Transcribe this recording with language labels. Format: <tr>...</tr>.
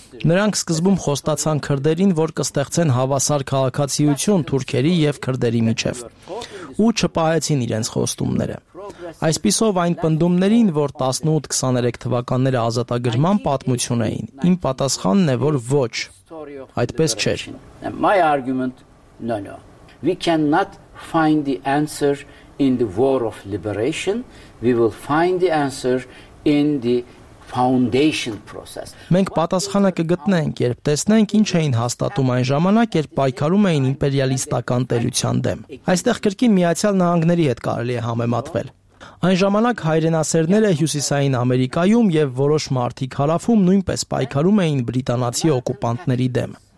<hy>Նրանք սկզբում խոստացան քրդերին, որ կստեղծեն հավասար քաղաքացիություն թուրքերի եւ քրդերի միջև։ Ու չպահեցին իրենց խոստումները։ Այսպիսով այն պնդումներին, որ 18-23 թվականները ազատագրման պատմություն էին, իմ պատասխանն է, որ ոչ, այդպես չէր։</hy> <en>My argument, no. We cannot find the answer in the war of liberation. We will find the answer in the foundation process.</en> <hy>Մենք պատասխանը կգտնենք, երբ տեսնենք ինչ էին հաստատում այն ժամանակ, երբ պայքարում էին իմպերիալիստական տերության դեմ։ Այստեղ կրկին Միացյալ Նահանգների հետ կարելի է համեմատվել։ Այն ժամանակ հայրենասերները Հյուսիսային Ամերիկայում եւ որոշ մարդիկ հարավում նույնպես պայքարում էին բրիտանացի օկուպանտների դեմ։</hy>